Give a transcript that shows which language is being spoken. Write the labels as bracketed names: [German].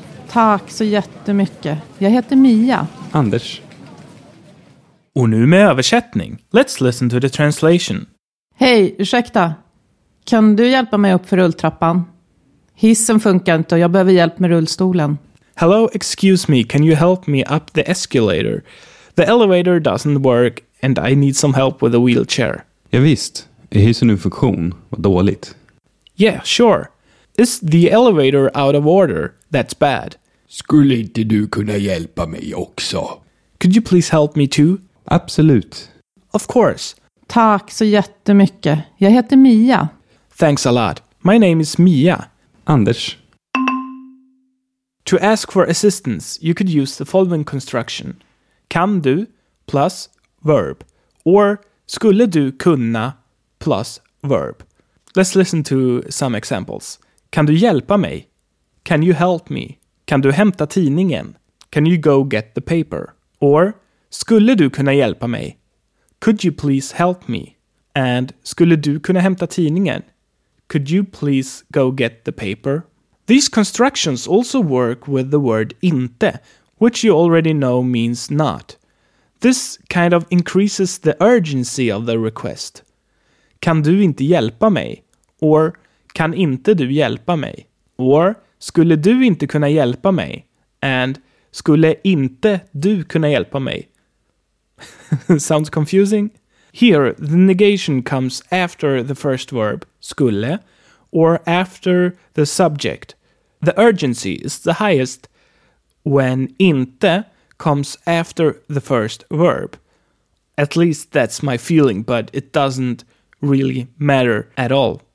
[Swedish] Tack så jättemycket. Jag heter Mia. Anders. Och nu med översättning. [English] Let's listen to the translation. [Swedish] Hej, ursäkta. Kan du hjälpa mig upp för rulltrappan? Hissen funkar inte och jag behöver hjälp med rullstolen. [English] Hello, excuse me. Can you help me up the escalator? The elevator doesn't work and I need some help with a wheelchair. [Swedish] Ja visst. Är hissen ur funktion? Vad dåligt. [English] Yeah, sure. Is the elevator out of order? That's bad. [Swedish] Skulle inte du kunna hjälpa mig också? [English] Could you please help me too? [Swedish] Absolut. [English] Of course. [Swedish] Tack så jättemycket. Jag heter Mia. [English] Thanks a lot. My name is Mia. [Swedish] Anders. [English] To ask for assistance, you could use the following construction. [Swedish] Kan du [English] plus verb or [Swedish] skulle du kunna [English] plus verb. Let's listen to some examples. [Swedish] Kan du hjälpa mig? [English] Can you help me? [Swedish] Kan du hämta tidningen? [English] Can you go get the paper? Or [Swedish] skulle du kunna hjälpa mig? [English] Could you please help me? And [Swedish] skulle du kunna hämta tidningen? [English] Could you please go get the paper? These constructions also work with the word inte, which you already know means not. This kind of increases the urgency of the request. [Swedish] Kan du inte hjälpa mig? [English] Or [Swedish] kan inte du hjälpa mig? Or skulle du inte kunna hjälpa mig? [English] And [Swedish] skulle inte du kunna hjälpa mig? [English] Sounds confusing? Here, the negation comes after the first verb, skulle, or after the subject. The urgency is the highest when inte comes after the first verb. At least that's my feeling, but it doesn't really matter at all.